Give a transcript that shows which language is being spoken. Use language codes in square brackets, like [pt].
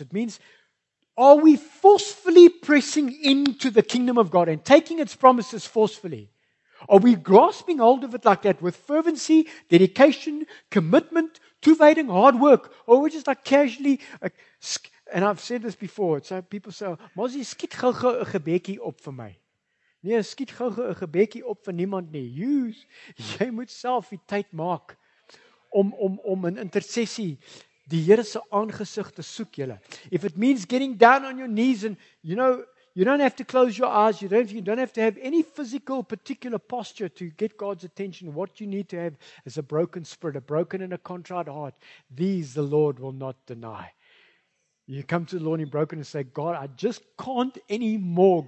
[en] It means, are we forcefully pressing into the kingdom of God and taking its promises forcefully? Are we grasping hold of it like that with fervency, dedication, commitment, tuvating, hard work? Or we're just like casually, and I've said this before, so people say, Mozzie, [af] skiet gauw gauw 'n gebekie op vir my. Nee, skiet gauw gauw 'n gebekie op vir niemand nie. Jy moet self die tyd maak om 'n intercessie. Die Here se aangesig te soek julle. [en] If it means getting down on your knees and, you know, you don't have to close your eyes, you don't have to have any physical particular posture to get God's attention. What you need to have is a broken spirit, a broken and a contrite heart. These the Lord will not deny. You come to the Lord in broken and say, God, I just can't anymore.